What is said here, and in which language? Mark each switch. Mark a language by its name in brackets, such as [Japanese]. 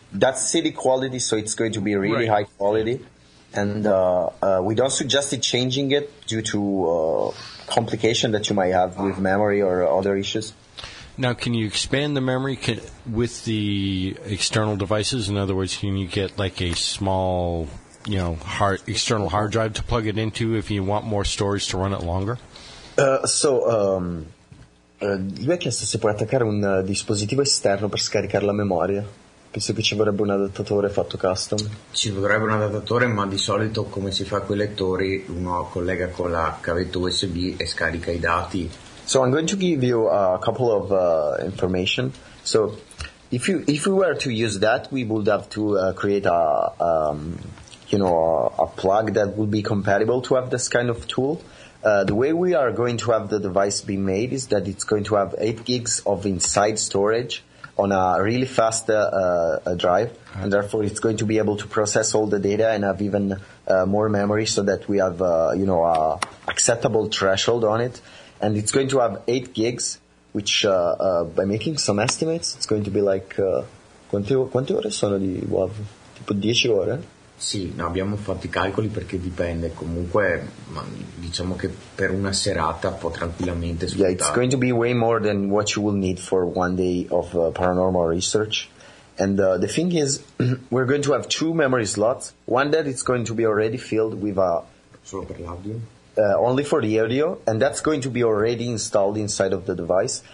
[English] That's CD quality, so it's going to be really high quality. And we don't suggest it changing it due to complication that you might have with memory or other issues. Now, can you expand the memory with the external devices? In other words, can you get like a small, you know, external hard drive to plug it into if you want more storage to run it longer? [Italian] Lui ha chiesto se puoi attaccare un dispositivo esterno per scaricare la memoria. Penso che ci vorrebbe un adattatore fatto custom. Ci vorrebbe un adattatore, ma di solito come si fa con i lettori, uno collega con la cavetta USB e scarica i dati. [English] So I'm going to give you a couple of information. So If we were to use that, we would have to create a plug that would be compatible to have this kind of tool. The way we are going to have the device be made is that it's going to have 8 gigs of inside storage on a really fast drive, okay. And therefore it's going to be able to process all the data and have even more memory, so that we have a acceptable threshold on it. And it's going to have 8 gigs, which by making some estimates, it's going to be like... [Italian] quante ore sono di WAV? Tipo 10 ore? Sì, no, abbiamo fatto i calcoli perché dipende. Comunque, ma diciamo che per una serata può tranquillamente sfruttare. [English] Yeah, it's going to be way more than what you will need for one day of paranormal research. And the thing is, we're going to have two memory slots. One that it's going to be already filled with a... [Italian] Solo per l'audio? [English] Only for the audio, and that's going to be already installed inside of the device.